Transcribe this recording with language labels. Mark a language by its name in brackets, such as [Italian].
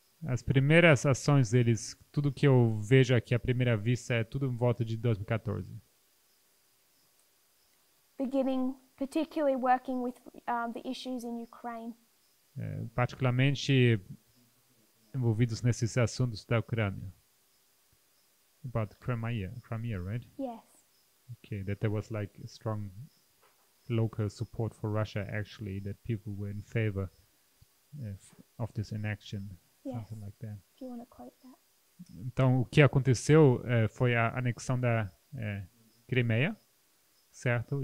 [Portuguese] As primeiras ações deles, tudo que eu vejo aqui à primeira vista é tudo em volta de 2014. [English] Beginning particularly working with the issues in Ukraine. [Portuguese] Particularmente envolvidos nesses assuntos da Ucrânia. [English] About Crimea, right? Yes. Okay, that there was like a strong local support for Russia, actually, that people were in favor of this inaction. Yes. Something like that. If you want to quote that. [Portuguese] Então, o que aconteceu foi a anexão da Crimeia, certo?